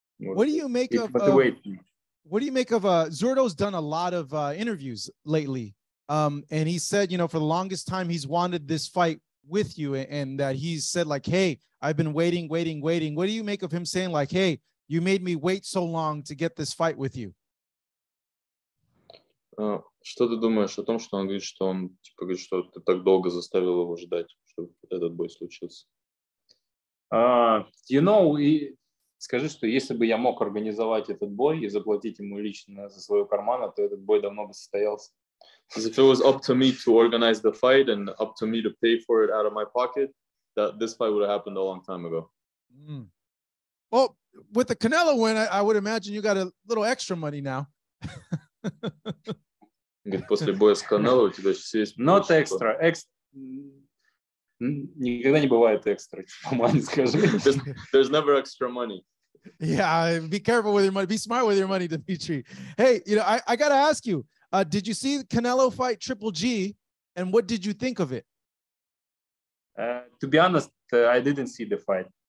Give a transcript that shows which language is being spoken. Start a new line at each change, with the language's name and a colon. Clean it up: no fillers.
English: Zurdo's done a lot of interviews lately, and he said, you know, for the longest time he's wanted this fight with you, and that he's said like, hey, I've been waiting. What do you make of him saying like, hey, you made me wait so long to get this fight with you?
Russian: Что ты думаешь о том, что он говорит, что он типа говорит, что ты так долго заставил его ждать, чтобы этот бой случился?
English: You know,
Russian: скажи, что если бы я мог организовать этот бой и заплатить ему лично за свою кармана, то этот бой давно бы состоялся.
English: If it was up to me to organize the fight and up to me to pay for it out of my pocket, that this fight would have happened a long time ago. Mm. Well, with the Canelo win, I would imagine you got a little extra money now.
Russian: После боя с Canelo у тебя сейчас есть...
English: Not extra.
Russian: Никогда не бывает экстра, по-моему, скажи.
English: There's never extra money. Yeah, be careful with your money. Be smart with your money, Dmitry. Hey, you know, I got to ask you. Did you see Canelo fight Triple G, and what did you think of it? To be honest, I didn't see the fight.